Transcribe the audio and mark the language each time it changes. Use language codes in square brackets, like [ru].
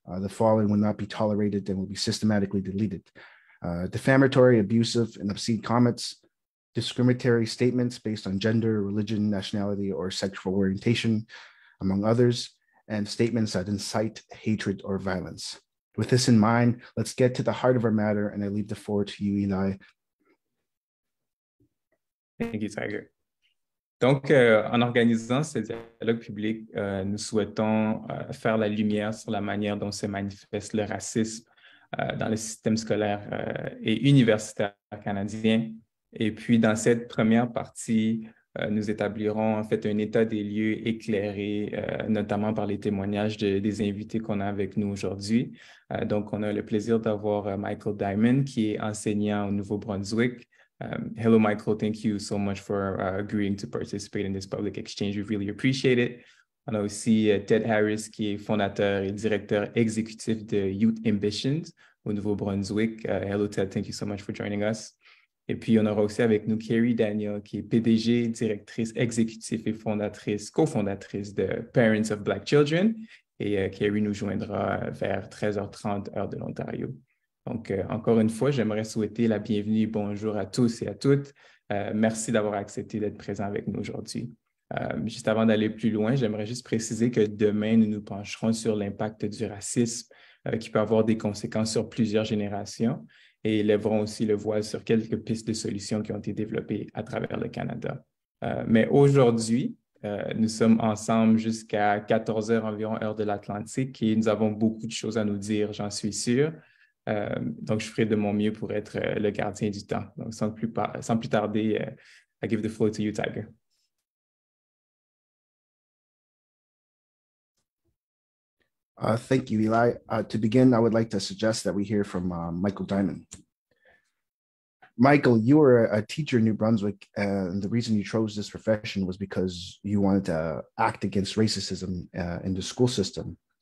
[en] The following will not be tolerated and will be systematically deleted. Defamatory, abusive, and obscene comments, discriminatory statements based on gender, religion, nationality, or sexual orientation, among others, and statements that incite hatred or violence. With this in mind, let's get to the heart of our matter, and I leave the floor to you, Eli. Thank you, Tiger. [fr] Donc, en organisant ce dialogue public, nous souhaitons faire la lumière sur la manière dont se manifeste le racisme dans le système scolaire et universitaire canadien. Et puis, dans cette première partie, nous établirons en fait un état des lieux éclairé, notamment par les témoignages des invités qu'on a avec nous aujourd'hui. Donc, on a le plaisir d'avoir Michael Diamond, qui est enseignant au Nouveau-Brunswick. [en] Hello, Michael. Thank you so much for agreeing to participate in this public exchange. We really appreciate it. [fr] On a aussi Ted Harris, qui est fondateur et directeur exécutif de Youth Ambitions au Nouveau-Brunswick. [en] Hello, Ted. Thank you so much for joining us. [fr] Et puis, on aura aussi avec nous Carrie Daniel, qui est PDG, directrice exécutive et fondatrice, cofondatrice de Parents of Black Children. Et Carrie nous joindra vers 13h30, heure de l'Ontario. Donc, encore une fois, j'aimerais souhaiter la bienvenue, bonjour à tous et à toutes. Merci d'avoir accepté d'être présent avec nous aujourd'hui. Juste avant d'aller plus loin, j'aimerais juste préciser que demain, nous nous pencherons sur l'impact du racisme qui peut avoir des conséquences sur plusieurs générations et lèverons aussi le voile sur quelques pistes de solutions qui ont été développées à travers le Canada. Mais aujourd'hui, Nous sommes ensemble jusqu'à 14 heures environ, heure de l'Atlantique, et nous avons beaucoup de choses à nous dire, j'en suis sûr. Donc, je ferai de mon mieux pour être le gardien du temps. Donc, sans plus tarder, [en] I give the floor to you, Tiger. Thank you, Eli. To begin, I would like to suggest that we hear from Michael Diamond. Michael, you were a teacher in New Brunswick, and the reason you chose this profession was because you wanted to act against racism in the school system.